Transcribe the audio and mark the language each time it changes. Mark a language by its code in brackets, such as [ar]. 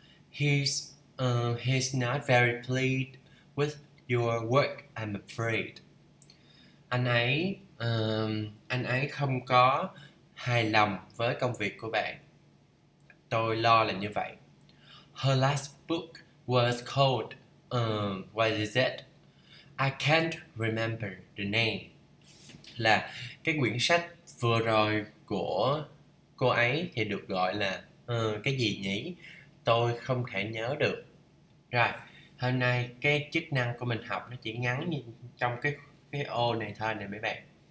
[en] He's not very pleased with your work, I'm afraid. [vi] Anh ấy không có hài lòng với công việc của bạn. Tôi lo là như vậy. [en] Her last book was called what is it? I can't remember the name. [vi] Là cái quyển sách vừa rồi của cô ấy thì được gọi là cái gì nhỉ? Tôi không thể nhớ được. Rồi, hôm nay cái chức năng của mình học nó chỉ ngắn như trong cái ô này thôi nè mấy bạn.